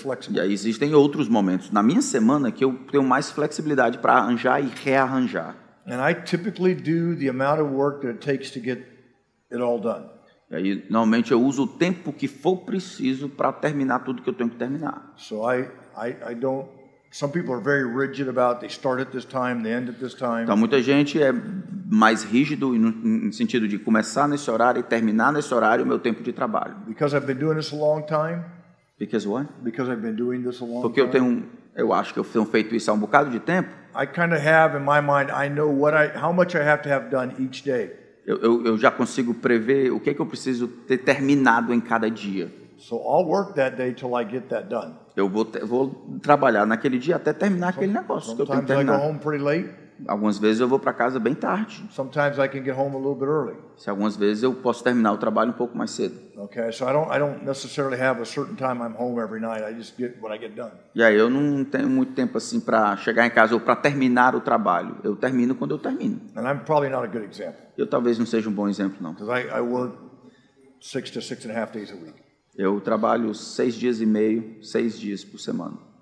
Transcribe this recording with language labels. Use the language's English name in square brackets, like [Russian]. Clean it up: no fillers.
[Portuguese] E aí existem outros momentos na minha semana que eu tenho mais flexibilidade para arranjar e rearranjar. [English] And I typically do the amount of work that it takes to get it all done. [Portuguese] E aí normalmente eu uso o tempo que for preciso para terminar tudo que eu tenho que terminar. [English] So I don't. Some people are very rigid about they start at this time, they end at this time. [Portuguese] Então muita gente é mais rígido no sentido de começar nesse horário e terminar nesse horário o meu tempo de trabalho. [English] Because I've been doing this a long time. Because what? Because I've been doing this a long time. [Portuguese] Porque eu acho que eu tenho feito isso há um bocado de tempo. [English] I kind of have in my mind I know what I how much I have to have done each day. [Portuguese] Eu já consigo prever o que eu preciso ter terminado em cada dia. [English] So I'll work that day till I get that done. [Portuguese] Eu vou trabalhar naquele dia até terminar aquele negócio que eu tenho que terminar. [English] I go home pretty late. [Portuguese] Algumas vezes eu vou para casa bem tarde. [English] Sometimes I can get home a little bit early. [Portuguese] Se algumas vezes eu posso terminar o trabalho um pouco mais cedo. [English] Okay, so I don't necessarily have a certain time I'm home every night. I just get what I get done. [Portuguese] E aí eu não tenho muito tempo assim para chegar em casa ou para terminar o trabalho. Eu termino quando eu termino. [English] And I'm probably not a good example. [Portuguese] Eu talvez não seja um bom exemplo não. [English] Because I work 6 to 6.5 days a week. [Portuguese] Eu trabalho 6 dias e meio, 6 dias por semana.